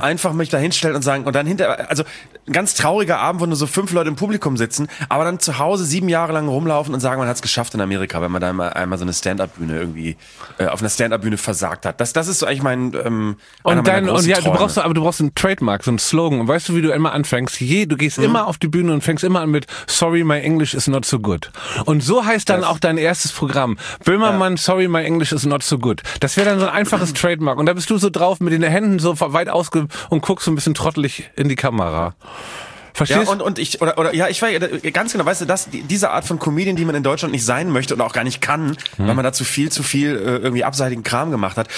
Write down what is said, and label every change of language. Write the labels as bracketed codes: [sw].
[de] Einfach mich da hinstellen und sagen, und dann hinter, also ein ganz trauriger Abend, wo nur so 5 Leute im Publikum sitzen, aber dann zu Hause 7 Jahre lang rumlaufen und sagen, man hat es geschafft in Amerika, wenn man da einmal so eine Stand-Up-Bühne irgendwie auf einer Stand-Up-Bühne versagt hat. Das ist so eigentlich mein Träume. Du brauchst einen Trademark, so einen Slogan. Weißt du, wie du immer anfängst? Du gehst immer auf die Bühne und fängst immer an mit [en] Sorry, my English is not so good. [de] Und so heißt dann auch dein erstes Programm. [en] Böhmermann, Sorry, my English is not so good. [de] Das wäre dann so ein einfaches Trademark. Und da bist du so drauf mit den Händen so weit ausge und guckst so ein bisschen trottelig in die Kamera. Verstehst du? Ja, und ich, oder ja, ich weiß, ganz genau, weißt du, das, diese Art von Comedian, die man in Deutschland nicht sein möchte und auch gar nicht kann, weil man da zu viel irgendwie abseitigen Kram gemacht hat.